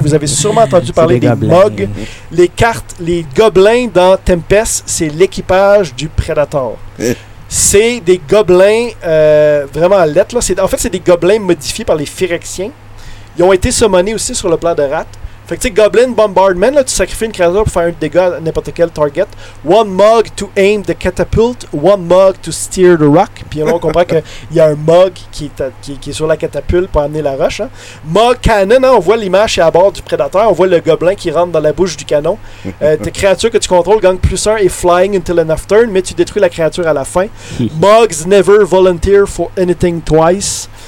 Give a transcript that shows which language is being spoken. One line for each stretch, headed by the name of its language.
French: Vous avez sûrement entendu parler des MOG. Les cartes, les gobelins dans Tempest, c'est l'équipage du Predator. C'est des gobelins vraiment à l'aide. En fait, c'est des gobelins modifiés par les Phyrexiens. Ils ont été summonés aussi sur le plan de Rat. Fait que tu sais, Goblin Bombardment, là, tu sacrifies une créature pour faire un dégât à n'importe quel target.
English: One mug to aim the catapult, one mug to steer the rock.
French: Puis là, on comprend qu'il y a un mug qui est sur la catapulte pour amener la roche. Hein. Mug cannon, hein, on voit l'image à bord du prédateur, on voit le gobelin qui rentre dans la bouche du canon. Tes créatures que tu contrôles gagnent plus 1 et
English: flying until enough turn,
French: mais tu détruis la créature à la fin.
English: Mugs never volunteer for anything twice.